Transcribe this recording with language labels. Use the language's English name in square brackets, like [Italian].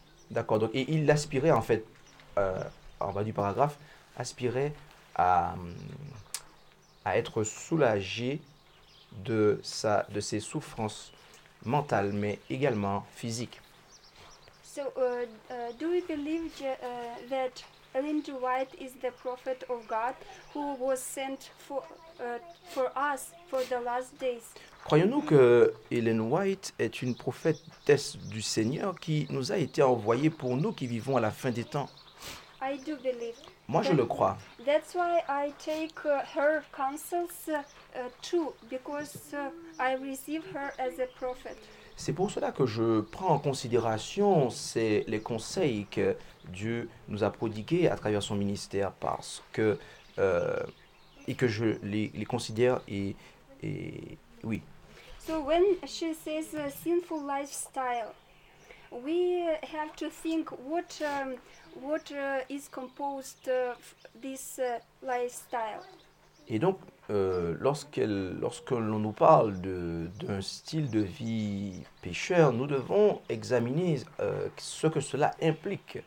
[French] D'accord, donc, et il aspirait en fait, en bas du paragraphe, aspirait à être soulagé de ses souffrances mentales, mais également physiques. [English] So, do we believe that Ellen G. White is the prophet of God who was sent for us for the last days? [French] Croyons-nous que Ellen White est une prophétesse du Seigneur qui nous a été envoyée pour nous qui vivons à la fin des temps? [English] I do believe. [French] Moi, je le crois. [English] That's why I take her counsels too, because I receive her as a prophet. [French] C'est pour cela que je prends en considération les conseils que Dieu nous a prodigués à travers son ministère parce que et que je les considère et oui. [English] So when she says a sinful lifestyle, we have to think what is composed of this lifestyle. [French] Et donc lorsque l'on nous parle d'un style de vie pécheur, nous devons examiner ce que cela implique.